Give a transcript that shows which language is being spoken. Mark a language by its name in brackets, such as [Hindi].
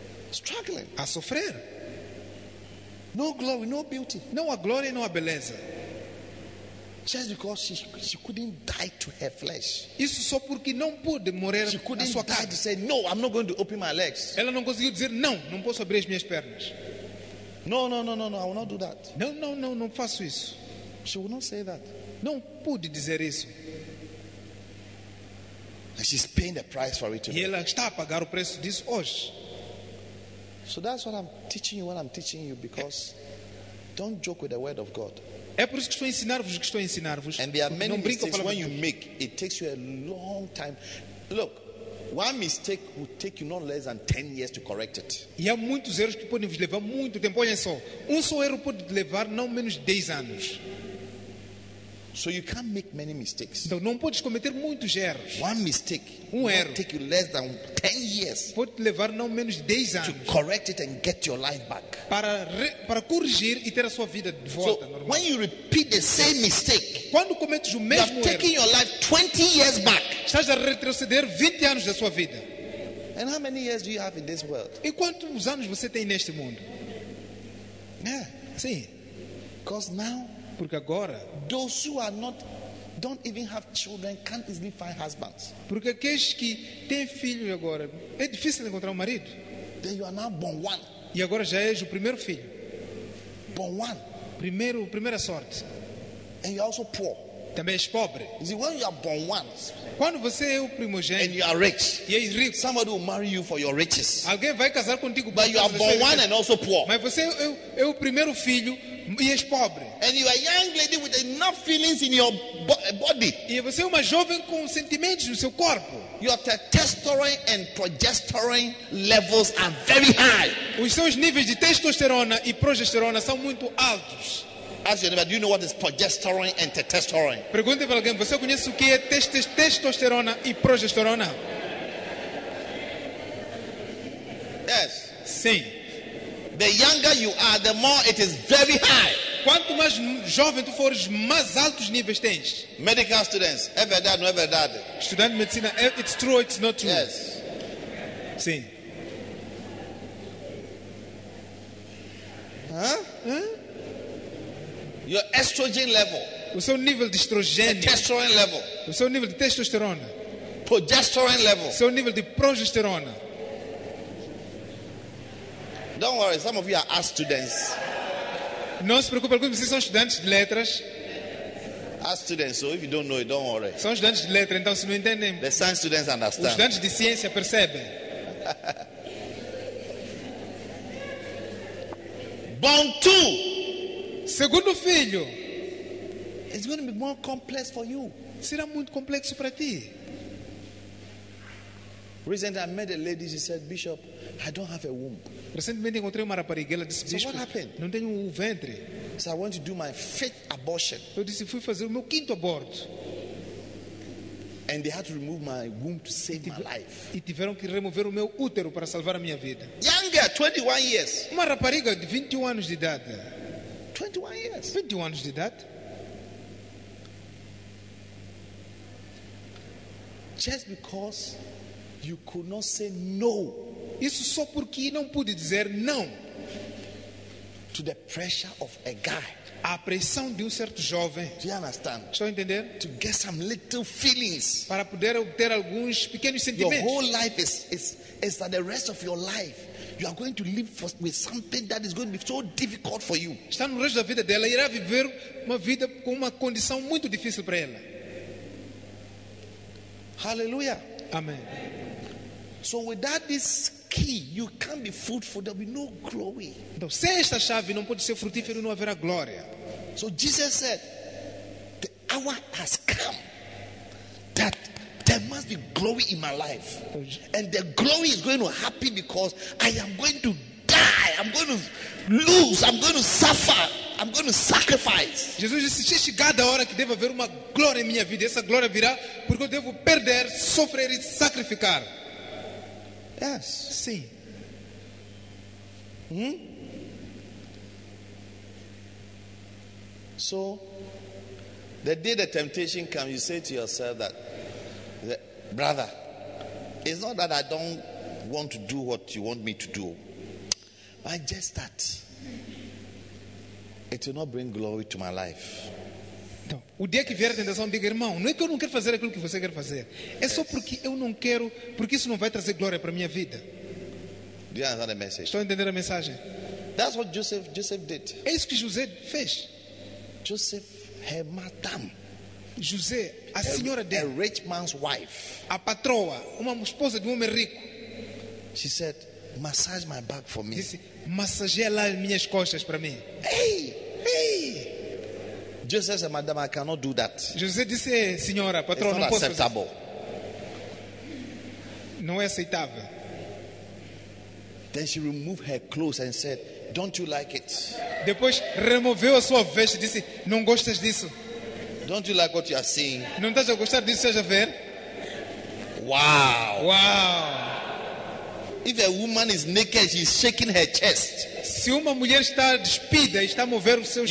[English] Struggling. [Portuguese] A sofrer. [English] No glory, no beauty. [Portuguese] Não há glória, não há beleza. [English] Just because she couldn't die to her flesh. [Portuguese] Isso só porque não pôde morrer na sua carne. [English] She couldn't die to say, no, I'm not going to open my legs. [Portuguese] Ela não conseguiu dizer, não, não posso abrir as minhas pernas. [English] No, I will not do that. [Portuguese] No, faço isso. [English] She will not say that. [Portuguese] Não pude dizer isso. [English] And she's paying the price for it today. [Portuguese] E ela está a pagar o preço disso hoje. [English] So that's what I'm teaching you when I'm teaching you, because don't joke with the word of God. [Portuguese] É por isso que estou a ensinar-vos que estou a ensinar-vos. [English] And there are many mistakes when you make, it takes you a long time. Look, one mistake will take you not less than 10 years to correct it. [Portuguese] E há muitos erros que podem vos levar muito tempo. Olha só, só erro pode levar não menos de 10 anos. [English] So you can't make many mistakes. [Portuguese] Então não podes cometer muitos erros. [English] One mistake [Portuguese] erro [English] take you less than 10 years. [Portuguese] Pode levar não menos de 10 anos. [English] To correct it and get your life back. [Portuguese] Para corrigir e ter a sua vida de volta. [English] So normal. When you repeat the same mistake, [Portuguese] quando cometes o mesmo erro, [English] you're taking your life 20 years back. [Portuguese] Estás a retroceder 20 anos da sua vida. [English] And how many years do you have in this world? [Portuguese] E quantos anos você tem neste mundo? [English] Yeah. [Portuguese] Sim. [English] Because now. [Portuguese] Porque agora, [English] those who are not, don't even have children, can't easily find husbands. [Portuguese] Porque aqueles que têm filhos agora, é difícil encontrar marido. [English] Then you are now born one. [Portuguese] E agora já és o primeiro filho. [English] Born one. [Portuguese] Primeira sorte. [English] And you are also poor. [Portuguese] Também és pobre. [English] You see, when you are born one, [Portuguese] quando você é o primogênito, [English] and you are rich, [Portuguese] e és rico, [English] somebody will marry you for your riches. [Portuguese] Alguém vai casar contigo, [English] but you are born one and also poor. [Portuguese] Mas você é o primeiro filho. E és pobre. [English] And you are a young lady with enough feelings in your body. [Portuguese] E você é uma jovem com sentimentos no seu corpo. [English] Your testosterone and progesterone levels are very high. [Portuguese] Os seus níveis de testosterona e progesterona são muito altos. [English] Ask your neighbor, do you know what is progesterone and testosterone? [Portuguese] Pergunte para alguém, você conhece o que é testosterona e progesterona? [English] Yes. [Portuguese] Sim. [English] The younger you are, the more it is very high. [Portuguese] Quanto mais jovem tu fores, mais altos níveis tens. [English] Medical students, [Portuguese] é verdade, não é verdade? Estudante de medicina, [English] it's true, it's not true. Yes. [Portuguese] Sim. [English] Your estrogen level. [Portuguese] O seu nível de estrogênio. [English] Testosterone level. [Portuguese] O seu nível de testosterona. [English] Progesterone level. [Portuguese] O seu nível de progesterona. [English] Don't worry, some of you are art students. [Portuguese] Não se preocupe, alguns de vocês são estudantes de letras. [English] Art students, so if you don't know it, don't worry. [Portuguese] São estudantes de letras, então se não entendem. [English] The science students understand. [Portuguese] Os estudantes de ciência percebem. [English] Born two. [Portuguese] Segundo filho. [English] It's going to be more complex for you. [Portuguese] Será muito complexo para ti. [English] Recently I met a lady, she said, Bishop, I don't have a womb. [Portuguese] Recentemente encontrei uma rapariga, ela disse, [English] so what happened? [Portuguese] Não tenho um ventre. [English] So I want to do my fifth abortion. [Portuguese] Eu disse, fui fazer o meu quinto aborto. [English] And they had to remove my womb to save my life. [Portuguese] E tiveram que remover o meu útero para salvar a minha vida. [English] Younger, 21 years. [Portuguese] Uma rapariga de 21 anos de idade. [English] 21 years. [Portuguese] 21 anos de idade. [English] Just because you could not say no. [Portuguese] Isso só porque não pude dizer não. [English] To the pressure of a guy. [Portuguese] A pressão de certo jovem. [English] Do you understand? [Portuguese] Estão entendendo? [English] To get some little feelings. [Portuguese] Para poder obter alguns pequenos sentimentos. [English] Your whole life is that the rest of your life you are going to live with something that is going to be so difficult for you. [Portuguese] Está no resto da vida dela irá viver uma vida com uma condição muito difícil para ela. [English] Hallelujah. [Portuguese] Amen. [English] So without this key, you can't be fruitful. There'll be no glory. [Portuguese] Então, sem esta chave, não pode ser frutífero, não haverá glória. [English] So Jesus said, the hour has come that there must be glory in my life. And the glory is going to happen because I am going to die. I'm going to lose. I'm going to suffer. I'm going to sacrifice. [Portuguese] Jesus disse, se chegada a hora que deve haver uma glória em minha vida, essa glória virá porque eu devo perder, sofrer e sacrificar. [English] Yes. [Portuguese] Sim. [English] So, the day the temptation comes, you say to yourself that, brother, it's not that I don't want to do what you want me to do. But just that, it will not bring glory to my life. [Portuguese] Então, o dia que vier a tentação, diga, irmão, não é que eu não quero fazer aquilo que você quer fazer. É só porque eu não quero, porque isso não vai trazer glória para a minha vida. [English] Do you understand the message? [Portuguese] Estou entendendo a mensagem? [English] That's what Joseph did. [Portuguese] É isso que José fez. [English] Joseph, her madam. [Portuguese] José, a senhora dele. [English] A rich man's wife. [Portuguese] A patroa, uma esposa de um homem rico. [English] She said, massage my back for me. [Portuguese] Disse, massageia minhas costas para mim. [English] Hey, hey. Joseph said, madam, I cannot do that. [Portuguese] José disse, senhora, patroa, não posso. [English] Acceptable. [Portuguese] Não é aceitável. [English] Then she removed her clothes and said, don't you like it? [Portuguese] Depois removeu a sua veste e disse, não gostas disso? [English] Don't you like what you are seeing? [Portuguese] Não estás a gostar disso que estás a ver? [English] Wow. Wow. If a woman is naked, she's shaking her chest. [Portuguese] Se uma mulher está despida e está a mover os seus,